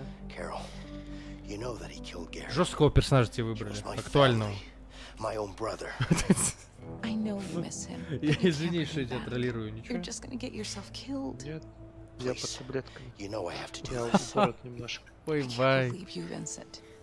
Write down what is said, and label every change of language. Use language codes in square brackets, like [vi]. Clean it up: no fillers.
[en] Carol, you know that he killed Gary. [ru] Жесткого персонажа тебе выбрали. Актуального. [en] My own brother. I know you miss him. [ru] Я извини, что я троллирую. Ничего. [en] You're just gonna get yourself killed. [ru] Нет. Я под таблеткой. [en] You know I have to do. [ru] Ой, бай. [en] I can't believe you, Vincent.